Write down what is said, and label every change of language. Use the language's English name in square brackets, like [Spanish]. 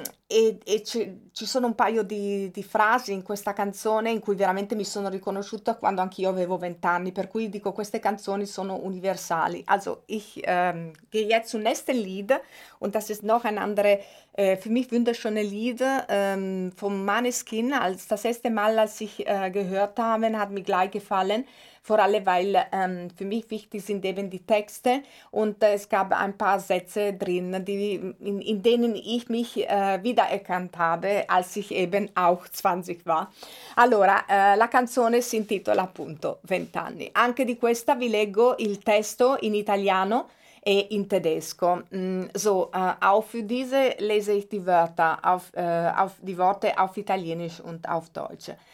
[Italian] E ci sono un paio di frasi in questa canzone in cui veramente mi sono riconosciuta quando anch'io avevo 20 anni, per cui dico queste canzoni sono universali. [German] Also ich gehe jetzt zum nächsten Lied und das ist noch ein andere für mich wunderschöne Lied von Maneskin. Als das erste Mal als ich gehört habe, hat mir gleich gefallen, vor allem weil für mich wichtig sind eben die Texte und es gab ein paar Sätze drin, die in denen ich mich wiedererkannt habe, als ich eben auch 20 war. [Italian] Allora, la canzone si intitola appunto 20 anni. Anche di questa vi leggo il testo in italiano e in tedesco. [German] So, auch für diese lese ich die Wörter auf die Worte auf Italienisch und auf Deutsch.